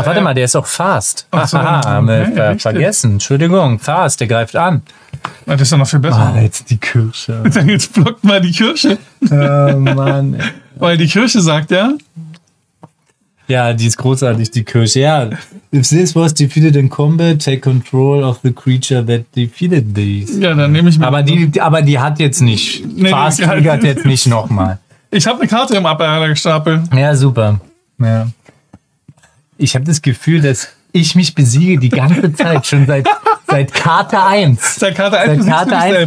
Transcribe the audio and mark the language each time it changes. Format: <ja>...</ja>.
<de>Ach, warte mal, der ist auch fast. Vergessen. Entschuldigung, fast, der greift an. Na, das ist doch noch viel besser. Ah, jetzt die Kirsche. Jetzt blockt mal die Kirsche. Mann. Weil die Kirsche sagt, ja. Ja, die ist großartig, die Kirsche.</de> <en>Ja, if this was defeated in combat, take control of the creature that defeated these.</en> <de>Ja, dann nehme ich mal. Aber die hat jetzt nicht. Nee, Fast triggert jetzt nicht nochmal. Ich habe eine Karte im Abwehr gestapelt. Ja, super. Ja. Ich habe das Gefühl, dass ich mich besiege die ganze Zeit, schon seit Karte 1. Seit Karte 1,</de>